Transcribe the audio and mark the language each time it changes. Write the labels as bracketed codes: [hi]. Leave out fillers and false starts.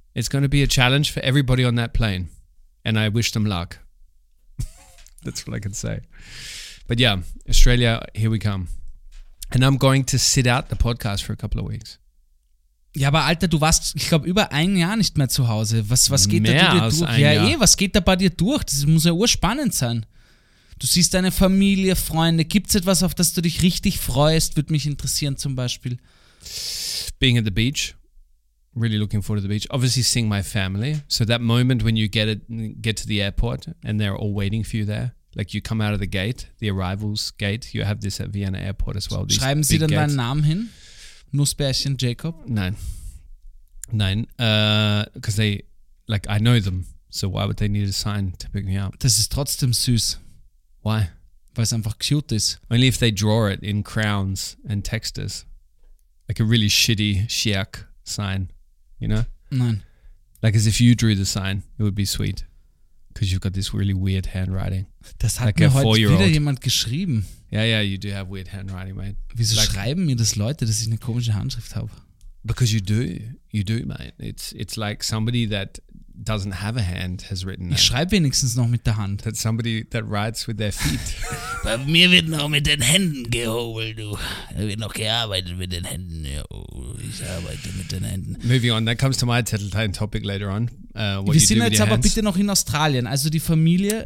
[en] It's going to be a challenge for everybody on that plane. And I wish them luck. That's what I can say. But yeah, Australia, here we come. And I'm going to sit out the podcast for a couple of weeks. [de] Ja, aber Alter, du warst, ich glaube, über ein Jahr nicht mehr zu Hause. Was geht mehr da dir durch? Ja, was geht da bei dir durch? Das muss ja urspannend sein. Du siehst deine Familie, Freunde. Gibt es etwas, auf das du dich richtig freust? Würde mich interessieren zum Beispiel. [en] Being at the beach. Really looking forward to the beach. Obviously seeing my family. So that moment when you get to the airport and they're all waiting for you there. Like you come out of the gate, the arrivals gate. You have this at Vienna Airport as well. [de] Schreiben sie dann deinen Namen hin? Nussbärchen Jacob? [en] Nein. Because they, like I know them. So why would they need a sign to pick me up? [de] Das ist trotzdem süß. [en] Why? [de] Weil es einfach cute ist. [en] Only if they draw it in crowns and text us. Like a really shitty Shiak sign, you know? [de] Nein. [en] Like as if you drew the sign, it would be sweet. Because you've got this really weird handwriting. [de] Das hat like mir heute wieder jemand geschrieben. [en] Yeah, you do have weird handwriting, mate. [de] Wieso like, schreiben mir das Leute, dass ich eine komische Handschrift habe? [en] Because you do, mate. It's like somebody that doesn't have a hand has written that. [de] Ich schreibe wenigstens noch mit der Hand. [en] That somebody that writes with their feet. [de] Bei mir wird noch mit den Händen gehobelt, du. Da wird noch gearbeitet mit den Händen. Ich arbeite mit den Händen. [en] Moving on, that comes to my Tattletale topic later on. [de] Wir sind jetzt aber bitte noch in Australien, also die Familie.